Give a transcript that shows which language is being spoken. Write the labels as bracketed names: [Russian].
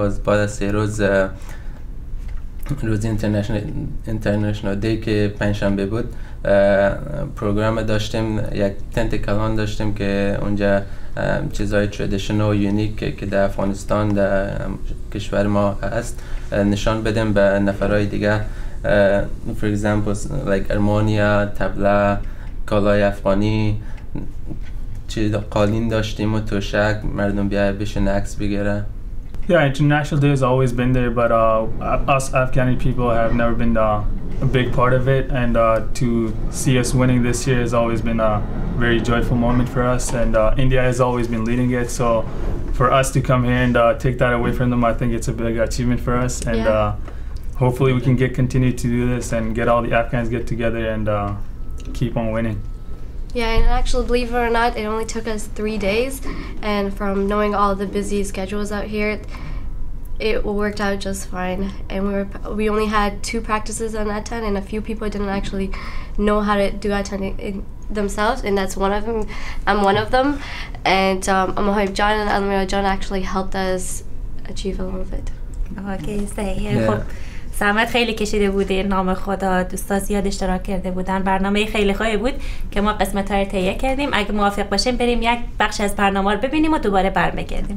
[Persian] باز بعد از سه روز روز انترنشنال دی که پنجشنبه بود پروگرام داشتیم، یک تنت کلان داشتیم که اونجا چیزهای تردیشنال یونیک که در افغانستان در کشور ما هست نشان بدیم به نفرهای دیگه. [English] For example like [Persian] ارمونیا، تبلا، کالای افغانی، چه قالین داشتیم و توشک، مردم بیا بشن عکس بگیره. [English] Yeah, International Day has always been there, but us Afghani people have never been a big part of it, and to see us winning this year has always been a very joyful moment for us, and India has always been leading it, so for us to come here and take that away from them, I think it's a big achievement for us, and yeah. Hopefully we can continue to do this and get all the Afghans get together and keep on winning. Yeah, and actually, believe it or not, it only took us 3 days, and from knowing all the busy schedules out here, it worked out just fine. And we only had 2 practices on Aten, and a few people didn't actually know how to do Aten themselves, and that's one of them. I'm one of them, and Amahoy John and Almira John actually helped us achieve a little bit. Okay, stay here. Yeah. [Persian] زحمت خیلی کشیده بوده، نام خدا، دوستا زیاد اشتراک کرده بودن، برنامه خیلی خوبی بود که ما قسمت های تهیه کردیم. اگه موافق باشیم بریم یک بخش از برنامه رو ببینیم و دوباره برمیگردیم.